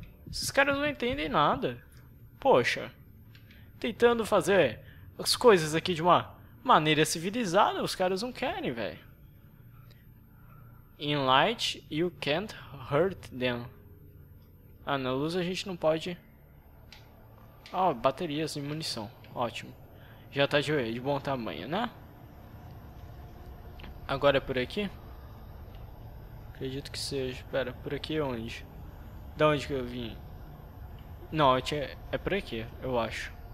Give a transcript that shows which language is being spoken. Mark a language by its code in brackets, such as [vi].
[pt] Esses caras não entendem nada. Poxa, tentando fazer as coisas aqui de uma maneira civilizada, os caras não querem, velho. [en] In light, you can't hurt them. [pt] Ah, na luz a gente não pode... Ah, oh, baterias e munição, ótimo. Já tá de bom tamanho, né? Agora é por aqui? Acredito que seja. Pera, por aqui é onde? Da onde que eu vim? Não, é por aqui, eu acho.